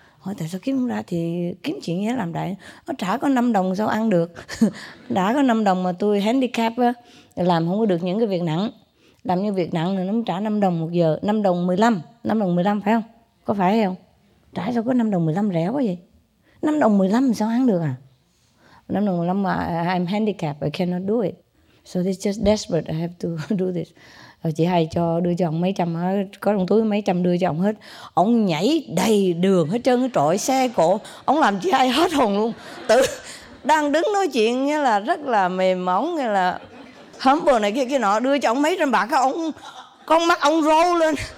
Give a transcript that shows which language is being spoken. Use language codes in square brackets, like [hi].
[vi] Hỏi tại sao kiếm không ra thì kiếm chuyện gì làm đại? Nó trả có 5 đồng sao ăn được? Đã có 5 đồng mà tôi handicap làm không có được những cái việc nặng. Làm những việc nặng thì nó trả 5 đồng một giờ, 5 đồng 15 phải không? Có phải không? Trả sao có 5 đồng 15 rẻ quá vậy? 5 đồng 15 sao ăn được à? 5 đồng 15 mà [en] I'm handicapped, I cannot do it. So this just desperate, I have to do this. [vi] Rồi chị Hai đưa cho ông mấy trăm, có trong túi mấy trăm đưa cho ông hết. Ông nhảy đầy đường hết trơn, trội xe cổ. Ông làm chị Hai hết hồn luôn. Tự đang đứng nói chuyện như là rất là mềm mỏng, như là humble này kia nọ, đưa cho ông mấy trăm bạc, ông con mắt ông rô lên.